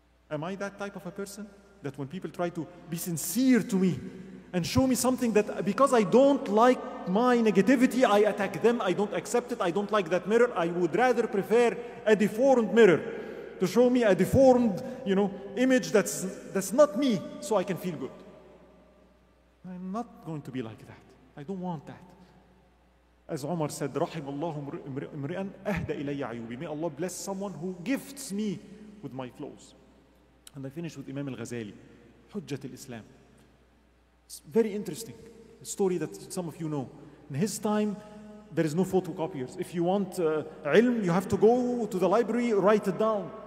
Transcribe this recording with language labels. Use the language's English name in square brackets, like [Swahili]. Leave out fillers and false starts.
[English] Am I that type of a person? That when people try to be sincere to me and show me something that because I don't like my negativity, I attack them. I don't accept it. I don't like that mirror. I would rather prefer a deformed mirror to show me a deformed, image that's not me so I can feel good. I'm not going to be like that. I don't want that. As Umar said, [Arabic] رحم الله امرئا أهدى إلي عيوبي. [English] May Allah bless someone who gifts me with my flaws. And I finish with Imam al-Ghazali, حجة الإسلام. It's very interesting. A story that some of you know. In his time, there is no photocopiers. If you want ilm, you have to go to the library, write it down.